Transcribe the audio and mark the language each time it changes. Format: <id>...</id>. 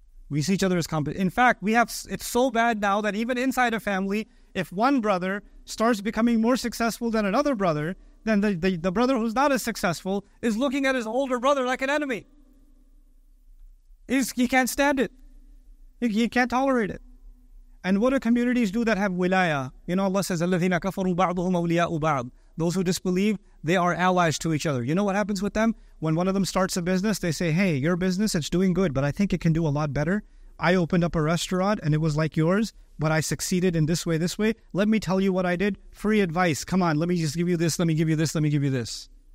<en>We see each other as competition. In fact, it's so bad now that even inside a family, if one brother starts becoming more successful than another brother, then the brother who's not as successful is looking at his older brother like an enemy. He can't stand it. He can't tolerate it. And what do communities do that have wilaya? You know, Allah says,</en> <ar>الَّذِينَ كَفَرُوا بَعْضُهُمْ أَوْلِيَاءُ بَعْضٍ.</ar> <en>Those who disbelieve, they are allies to each other. You know what happens with them? When one of them starts a business, they say, hey, your business, it's doing good, but I think it can do a lot better. I opened up a restaurant and it was like yours, but I succeeded in this way, this way. Let me tell you what I did. Free advice. Come on, let me just give you this. Let me give you this. Let me give you this.</en>